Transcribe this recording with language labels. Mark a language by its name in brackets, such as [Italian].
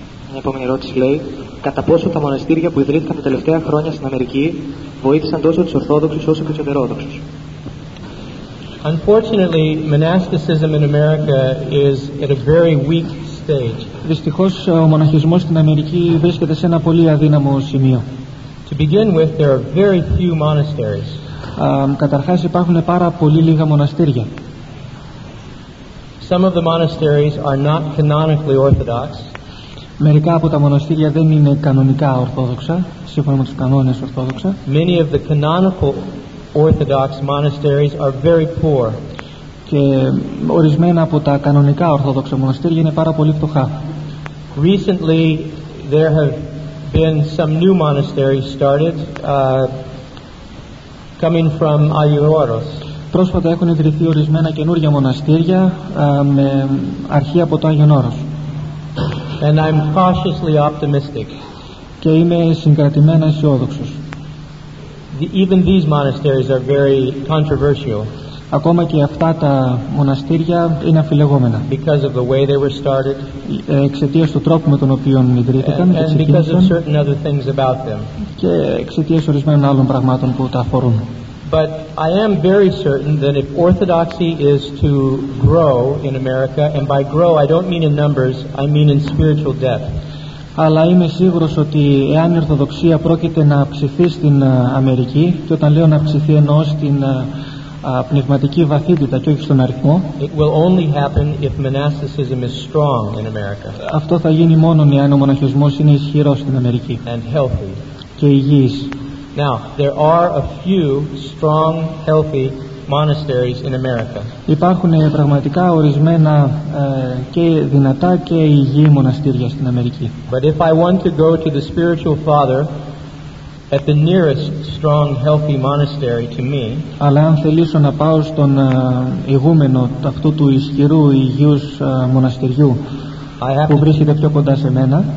[Greek] Μια επόμενη ερώτηση λέει, κατά πόσο τα μοναστήρια που ιδρύθηκαν τα τελευταία χρόνια στην Αμερική βοήθησαν τόσο τους Ορθόδοξους όσο και τους Ετερόδοξους. [English] Unfortunately, monasticism in America is at a very weak stage. [Greek] Δυστυχώς, ο μοναχισμός στην Αμερική βρίσκεται σε ένα πολύ αδύναμο σημείο. [English] To begin with, there are very few monasteries. [Greek] Καταρχάς, υπάρχουν πάρα πολύ λίγα μοναστήρια. [English] Some of the monasteries are not canonically Orthodox. [Greek] Μερικά από τα μοναστήρια δεν είναι κανονικά Ορθόδοξα, σύμφωνα με τους κανόνες Ορθόδοξα. [English] Many of the canonical Orthodox monasteries are very poor. [Greek] Και ορισμένα από τα κανονικά Ορθόδοξα μοναστήρια είναι πάρα πολύ φτωχά. [English] Recently, there have been some new monasteries started, coming from Agioros. [Greek] Πρόσφατα έχουν ιδρυθεί ορισμένα καινούργια μοναστήρια με αρχή από το Άγιον Όρος. [English] And I'm cautiously optimistic. [Greek] Και είμαι συγκρατημένα αισιόδοξος. [English] Even these monasteries are very controversial. [Greek] Ακόμα και αυτά τα μοναστήρια είναι αμφιλεγόμενα. [English] Because of the way they were started. [Greek] Εξαιτίας του τρόπου με τον οποίο ιδρύθηκαν. [English] And because of certain other things about them. [Greek] Και εξαιτίας ορισμένων άλλων πραγμάτων που τα αφορούν. [English] But I am very certain that if Orthodoxy is to grow in America, and by grow I don't mean in numbers, I mean in spiritual depth. [Greek] Αλλά είμαι σίγουρος ότι εάν η Ορθοδοξία πρόκειται να αυξηθεί στην Αμερική, και όταν λέω να αυξηθεί εννοώ στην πνευματική βαθύτητα και όχι στον αριθμό, [English] it will only happen if monasticism is strong in America. [Greek] Αυτό θα γίνει μόνο εάν ο μοναχισμός είναι ισχυρός στην Αμερική. [English] And healthy. [Greek] Και υγιής. [English] Now, there are a few strong, healthy monasteries in America. [Greek] Υπάρχουν πραγματικά ορισμένα και δυνατά και υγιή μοναστήρια στην Αμερική. [English] But if I want to go to the spiritual father at the nearest strong, healthy monastery to me, [Greek] αλλά αν θελήσω να πάω στον ηγούμενο αυτού του ισχυρού υγιούς μοναστηριού που βρίσκεται πιο κοντά σε μένα,